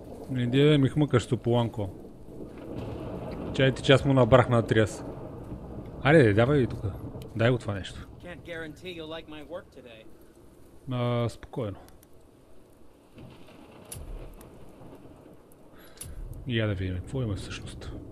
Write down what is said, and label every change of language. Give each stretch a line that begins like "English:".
Bulgarian: Не дей да ми хмъкаш, Тополанко. Чайте, че аз му набрах на Атриас. Айде, давай и тук. Дай го това нещо.
English: Can't guarantee you'll like my work today.
Bulgarian: Спокойно. Я да видим какво има всъщност.